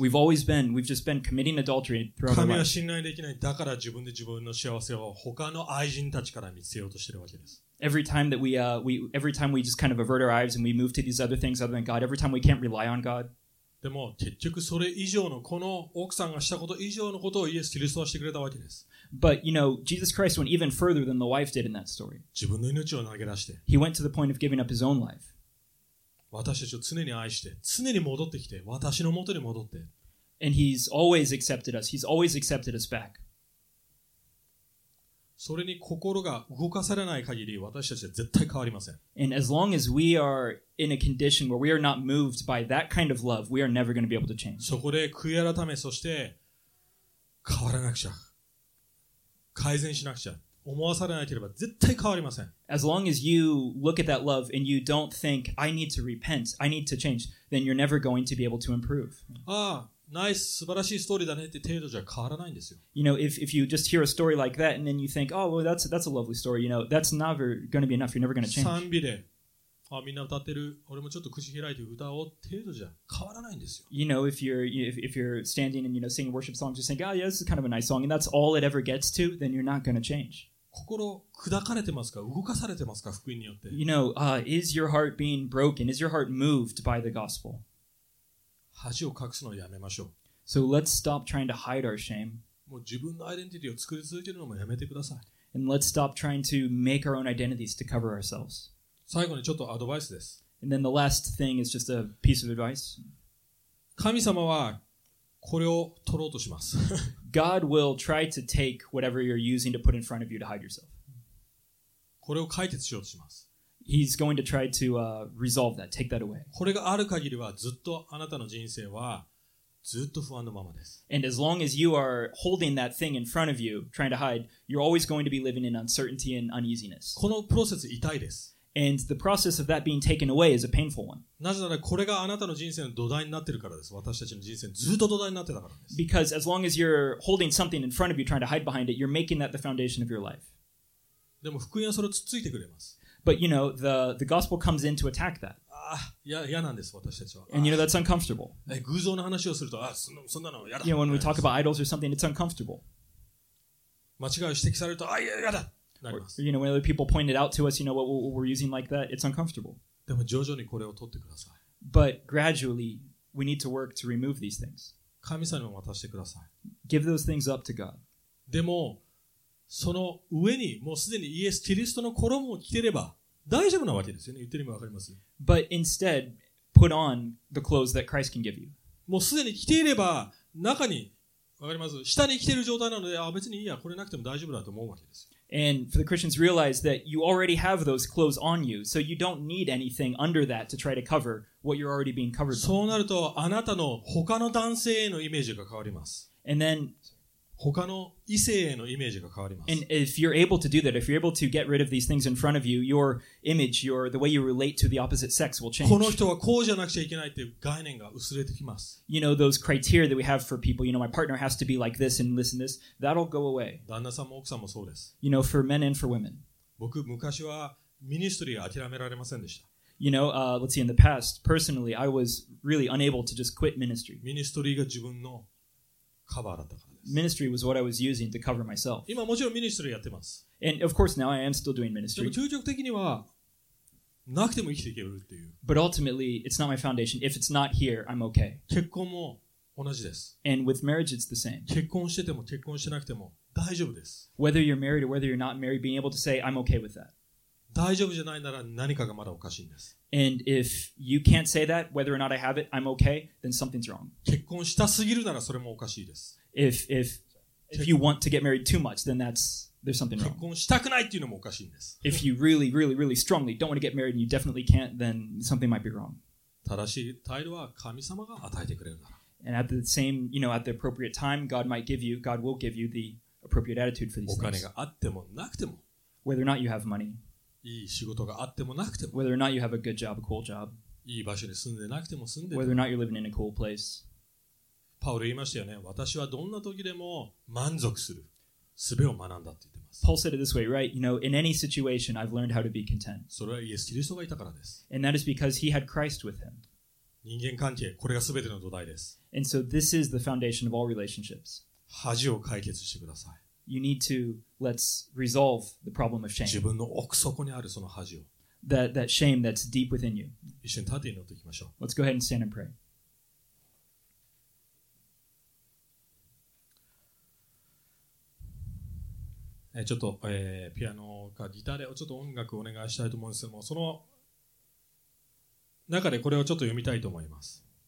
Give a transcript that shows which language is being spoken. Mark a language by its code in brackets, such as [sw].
[en] We've just been committing adultery throughout our life. [ja] 神は信頼できない。だから自分で自分の幸せを他の愛人たちから見つけようとしているわけです。 [en] Every time we just kind of avert our eyes and we move to these other things other than God, every time we can't rely on God. [ja] でも結局それ以上のこの奥さんがしたこと以上のことをイエス・キリストはしてくれたわけです。 [en] But you know, Jesus Christ went even further than the wife did in that story. [ja] 自分の命を投げ出して。 [en] He went to the point of giving up his own life. [ja] 私たちを常に愛して、常に戻ってきて、私の元に戻って。 [en] And he's always accepted us. He's always accepted us back. [ja] それに心が動かされない限り、私たちは絶対変わりません。 [en] And as long as we are in a condition where we are not moved by that kind of love, we are never going to be able to change. [ja] そこで悔い改め、そして変わらなくちゃ。改善しなくちゃ。思わされなければ絶対変わりません。 [en] As long as you look at that love and you don't think, I need to repent, I need to change, then you're never going to be able to improve. [ja] ああ、ナイス、素晴らしいストーリーだねって程度じゃ変わらないんですよ。 [en] You know, if you just hear a story like that and then you think, oh, well, that's a lovely story, you know, that's never going to be enough, you're never going to change. [ja] 賛美で、あ、みんな歌ってる、俺もちょっと口開いて歌おう程度じゃ変わらないんですよ。 [en] You know, if you're standing and, you know, singing a worship song, just think, oh, yeah, this is kind of a nice song, and that's all it ever gets to, then you're not going to change. [ja] 心砕かれてますか動かされてますか福音によって [en] You know, is your heart being broken? Is your heart moved by the gospel? [ja] 恥を隠すのをやめましょう [en] So let's stop trying to hide our shame. [ja] もう自分のアイデンティティを作り続けるのもやめてください。 [en] And let's stop trying to make our own identities to cover ourselves. [ja] 最後にちょっとアドバイスです。 [en] And then the last thing is just a piece of advice. [ja] 神様はこれを取ろうとします。 [en] God will try to take whatever you're using to put in front of you to hide yourself. [ja] これを解決しようとします。 [en] He's going to try to resolve that, take that away. [ja] これがある限りはずっとあなたの人生はずっと不安のままです。 [en] And as long as you are holding that thing in front of you, trying to hide, you're always going to be living in uncertainty and uneasiness. [ja] このプロセス痛いです。 [en] And the process of that being taken away is a painful one. [ja] なぜならこれがあなたの人生の土台になってるからです。私たちの人生ずっと土台になってたからです。 [en] Because as long as you're holding something in front of you, trying to hide behind it, you're making that the foundation of your life. [ja] でも福音はそれをつっついてくれます。 [en] But you know, the gospel comes in to attack that. [ja] ああ、嫌なんです、私たちは。 [en] And you know, that's uncomfortable. [ja] 偶像の話をすると、ああ、そんなの嫌だ。 [en] You know, when we talk about idols or something, it's uncomfortable. [ja] 間違いを指摘されると、ああ、嫌だ。 [en] Or, you know, when other people point it out to us, you know, what we're using like that, it's uncomfortable. [ja] でも徐々にこれを取ってください。 [en] But gradually, we need to work to remove these things. [ja] 神様にも渡してください。 [en] Give those things up to God. [ja] でも、その上にもうすでにイエス・キリストの衣を着ていれば大丈夫なわけですよね。言ってる意味わかります。 [en] But instead, put on the clothes that Christ can give you. [ja] もうすでに着ていれば中に、わかります。下に着ている状態なので、あ、別にいいや、これなくても大丈夫だと思うわけです。 [en] And for the Christians, realize that you already have those clothes on you, so you don't need anything under that to try to cover what you're already being covered by. [ja] そうなると、あなたの他の男性へのイメージが変わります。 [en] And then, [ja] 他の異性へのイメージが変わります。 [en] And if you're able to do that, if you're able to get rid of these things in front of you, your image, your, the way you relate to the opposite sex will change. [ja] この人はこうじゃなくちゃいけないっていう概念が薄れてきます。 [en] You know, those criteria that we have for people, you know, my partner has to be like this and this and this, that'll go away. [ja] 旦那さんも奥さんもそうです。 [en] You know, for men and for women. [ja] 僕、昔はミニストリーを諦められませんでした。 [en] You know, let's see, in the past, personally, I was really unable to just quit ministry. [ja] ミニストリーが自分のカバーだったから。 [en] Ministry was what I was using to cover myself. [ja] 今もちろんミニストリーやってます。 [en] And of course now I am still doing ministry. [ja] でも究極的にはなくても生きていけるっていう。 [en] But ultimately, it's not my foundation. If it's not here, I'm okay. [ja] 結婚も同じです。 [en] And with marriage, it's the same. [ja] 結婚してても結婚してなくても大丈夫です。 [en] Whether you're married or whether you're not married, being able to say, I'm okay with that. [ja] 大丈夫じゃないなら何かがまだおかしいんです。 [en] And if you can't say that, whether or not I have it, I'm okay, then something's wrong. [ja] 結婚したすぎるならそれもおかしいです。 [en] If you want to get married too much, then that's there's something wrong. [ja] 結婚したくないっていうのもおかしいんです。 [en] If you really, really, really strongly don't want to get married and you definitely can't, then something might be wrong. [ja] 正しい態度は神様が与えてくれるなら。 [en] And at the same, you know, at the appropriate time, God might give you, God will give you the appropriate attitude for these things. [ja] お金があってもなくても。 [en] Whether or not you have money. [ja] いい仕事があってもなくても。 [en] Whether or not you have a good job, a cool job. [ja] いい場所に住んでなくても住んでても。 [en] Whether or not you're living in a cool place. [ja] パウル言いましたよね。私はどんな時でも満足する術を学んだって言ってます。 [en] Paul said it this way, right? You know, in any situation, I've learned how to be content. [ja] それはイエス・キリストがいたからです。 [en] And that is because he had Christ with him. [ja] 人間関係、これが全ての土台です。 [en] And so this is the foundation of all relationships. [ja] 恥を解決してください。 [en] You need to, let's resolve the problem of shame. [ja] 自分の奥底にあるその恥を。 [en] That shame that's deep within you. [ja] 一緒に立って祈っていきましょう。 [en] Let's go ahead and stand and pray. [ja] ちょっと、ピアノかギターでちょっと音楽をお願いしたいと思うんですけども、その中でこれをちょっと読みたいと思います。